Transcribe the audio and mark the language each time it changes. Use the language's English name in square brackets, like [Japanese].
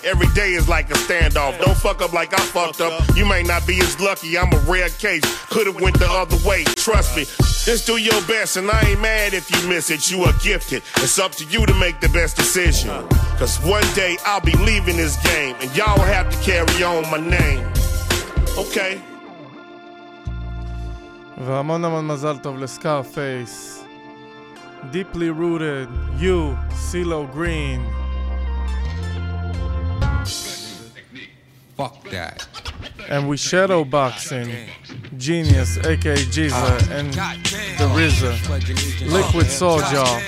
[English] Every day is like a standoff. Don't fuck up like I fucked up. You may not be as lucky. I'm a rare case. Could've went the other way. Trust me. Just do your best, and I ain't mad if you miss it. You are gifted. It's up to you to make the best decision. Cause one day I'll be leaving this game, and y'all will have to carry on my name. Okay. [Hebrew] והמון המון מזל טוב לסקארפייס. [English] Deeply rooted, you, CeeLo Green. Fuck that. And we shadow boxing, G Genius, aka Jeezer, and the RZA, Liquid Soul, y'all.